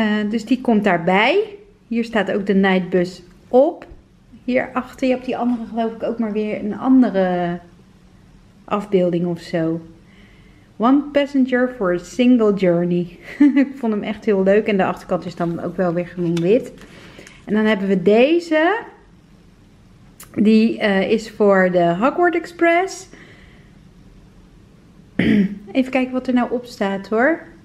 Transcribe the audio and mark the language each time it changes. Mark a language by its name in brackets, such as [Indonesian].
[Dutch] Dus die komt daarbij. Hier staat ook de Nightbus op. Hierachter, je hebt die andere geloof ik ook maar weer een andere afbeelding of zo. [English] One passenger for a single journey. [Dutch] Ik vond hem echt heel leuk. En de achterkant is dan ook wel weer gewoon wit. En dan hebben we deze. Die is voor de Hogwarts Express. Even kijken wat er nou op staat hoor.